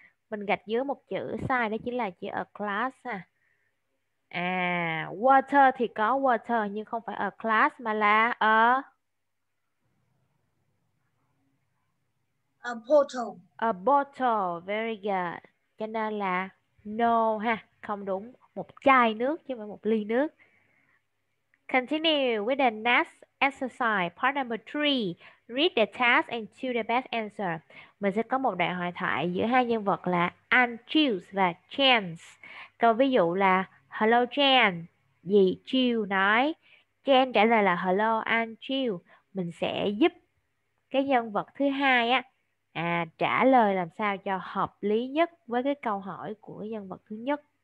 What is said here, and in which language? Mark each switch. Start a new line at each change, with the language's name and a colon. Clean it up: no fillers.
Vietnamese: Mình gạch dưới một chữ sai, đó chính là chữ
English: a class
Vietnamese: ha. À, water thì có water nhưng không phải a class mà là a
English: bottle. A bottle, very good.
Vietnamese: Cho nên là
English: no
Vietnamese: ha, không đúng. Một chai nước chứ không phải một ly nước.
English: Continue with the next exercise, part number 3. Read the task and choose the best answer.
Vietnamese: Mình sẽ có một đoạn hội thoại giữa hai nhân vật là Andrews và Chance. Câu ví dụ là
English: hello Jan,
Vietnamese: dì Jill nói. Jan trả lời là
English: hello Andrew.
Vietnamese: Mình sẽ giúp cái nhân vật thứ hai á, à, trả lời làm sao cho hợp lý nhất với cái câu hỏi của nhân vật thứ nhất.